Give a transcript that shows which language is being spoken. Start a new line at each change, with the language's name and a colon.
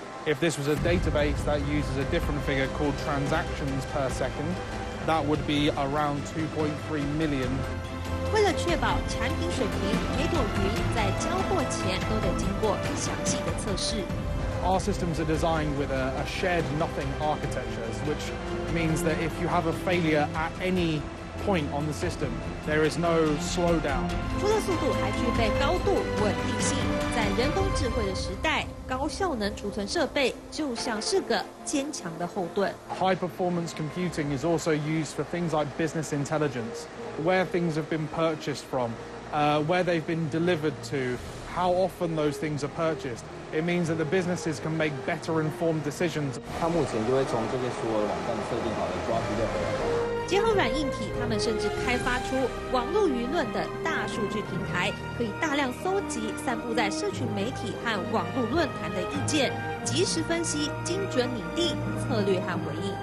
English: If this was a database that uses a different figure called transactions per second, that would be around 2.3 million.
Chinese: 为了确保产品水平，每朵云在交货前都得经过详细的测试。
English: Our systems are designed with a shared nothing architecture, which means that if you have a failure at any point on the system, there is no slowdown.
Chinese: 除了速度，还具备高度稳定性。在人工智慧的时代，高效能储存设备就像是个坚强的后盾。
English: High performance computing is also used for things like business intelligence, where things have been purchased from, where they've been delivered to, how often those things are purchased. It means that the businesses can make better informed decisions.
Chinese: 它目前就会从这些所有网站设定好的抓资料。结合软硬体，他们甚至开发出网络舆论的大数据平台，可以大量搜集散布在社群媒体和网络论坛的意见，及时分析，精准拟定策略和回应。